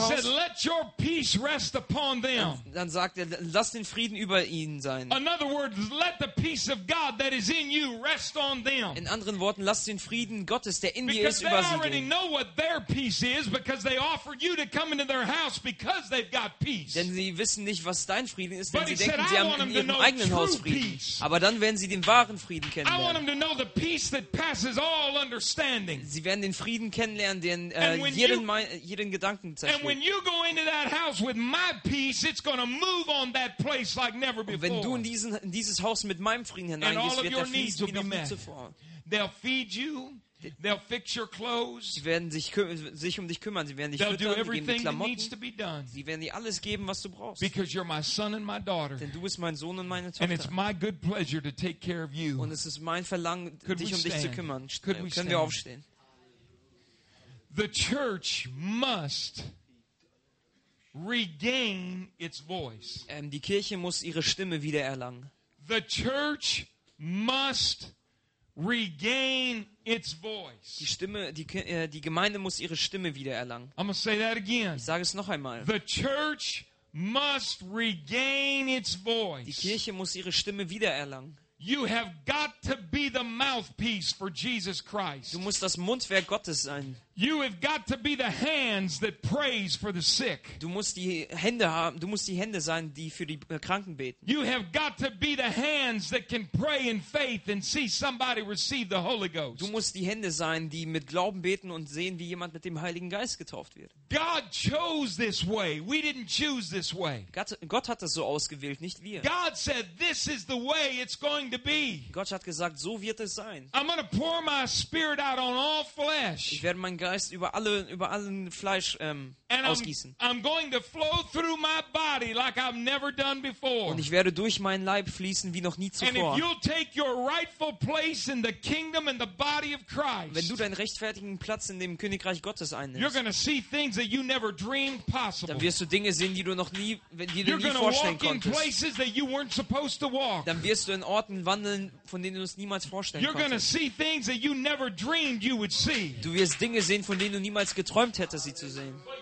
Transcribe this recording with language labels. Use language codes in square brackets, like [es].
[en] He said, let your peace rest upon them. [de] Dann sagt er, lass den Frieden über ihnen sein. [en] In other words, let the peace of God that is in you rest on them. [de] In anderen Worten, lass den Frieden Gottes, der in dir ist, über sie gehen. [en] They already know what their peace is, because they offered you to come into their house because they've got peace. [de] Denn sie wissen nicht, was dein Frieden ist, denn sie denken, sie haben in ihrem eigenen Haus Frieden. Aber dann werden sie den wahren Frieden kennenlernen. [en] I want them to know the peace that passes all understanding. [de] Sie werden den Frieden kennenlernen, den jeden Gedanken zerstört. [en] And when you go into that house with my peace, it's going to move on that place like never before. [de] Und wenn du in dieses Haus mit meinem Frieden hineingehst, wird der Frieden wie noch nie zuvor. [en] They'll feed you. They'll fix your clothes. [de] Sie werden sich um dich kümmern. Sie werden dich [en] they'll [de] füttern, [en] do [de] geben dir Klamotten. Sie werden dir alles geben, was du brauchst. [en] Because you're my son and my daughter. [de] Denn du bist mein Sohn und meine Tochter. [en] And it's my good pleasure to take care of you. [de] Und es ist mein Verlangen, [en] could [de] dich um dich zu kümmern. Können wir aufstehen? [en] The church must regain its voice. [de] Die Kirche muss ihre Stimme wiedererlangen. [en] The church must regain its voice. [de] Die Gemeinde muss ihre Stimme wiedererlangen. [en] I'm gonna say that again. [de] Ich sage es noch einmal. [en] The church must regain its voice. [de] Die Kirche muss ihre Stimme wiedererlangen. [en] You have got to be the mouthpiece for Jesus Christ. [de] Du musst das Mundwerk Gottes sein. [en] You have got to be the hands that prays for the sick. [de] Du musst die Hände sein, die für die Kranken beten. [en] You have got to be the hands that can pray in faith and see somebody receive the Holy Ghost. [de] Du musst die Hände sein, die mit Glauben beten und sehen, wie jemand mit dem Heiligen Geist getauft wird. [en] God chose this way. We didn't choose this way. [de] Gott hat das so ausgewählt, nicht wir. [en] God said, "This is the way it's going to be." [de] Gott hat gesagt, so wird es sein. [en] I'm going to pour my spirit out on all flesh. [de] Ich werde Geist über allen Fleisch ausgießen. [en] I'm going to flow through my body like I've never done before. [de] Und ich werde durch meinen Leib fließen wie noch nie zuvor. [en] And if you'll take your rightful place in the kingdom and the body of Christ. [de] Wenn du deinen rechtfertigen Platz in dem Königreich Gottes einnimmst. [en] You're going to see things that you never dreamed possible. [de] Dann wirst du Dinge sehen, die du noch nie vorstellen konntest. [en] You're going to walk in places that you weren't supposed to walk. [de] Dann wirst du in Orten wandeln, von denen du es niemals vorstellen konntest. Du wirst Dinge sehen, von denen du niemals geträumt hättest, sie zu sehen.